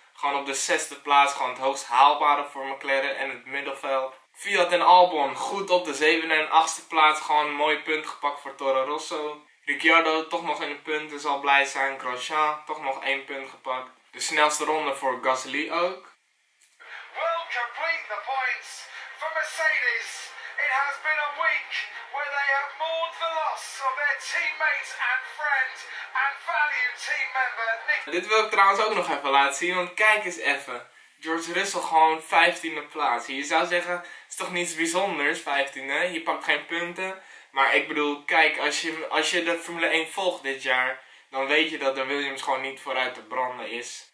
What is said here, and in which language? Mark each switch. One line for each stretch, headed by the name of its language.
Dutch: Gewoon op de 6e plaats, gewoon het hoogst haalbare voor McLaren en het middenveld. Fiat en Albon, goed op de 7e en 8e plaats. Gewoon een mooi punt gepakt voor Toro Rosso. Ricciardo toch nog in de punten, zal blij zijn. Grosjean toch nog 1 punt gepakt. De snelste ronde voor Gasly ook.
English: Well, complete the points for Mercedes. It has been a week where they have mourned the loss of their teammate and friend and valued team member Nick.
Dutch: Dit wil ik trouwens ook nog even laten zien, want kijk eens even. George Russell gewoon 15e plaats. Je zou zeggen, het is toch niets bijzonders, 15e. Je pakt geen punten. Maar ik bedoel, kijk, als je de Formule 1 volgt dit jaar, dan weet je dat de Williams gewoon niet vooruit te branden is.